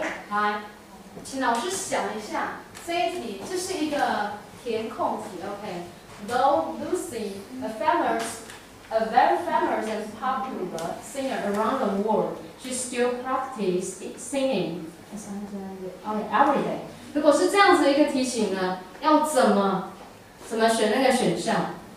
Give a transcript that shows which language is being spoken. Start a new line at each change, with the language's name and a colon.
Chinese: 来，请老师想一下，这一题这是一个填空题 ，OK？
English: Though Lucy, a very famous and popular singer around the world, she still practices singing every day.
Chinese: 如果是这样子一个题型呢，要怎么选那个选项？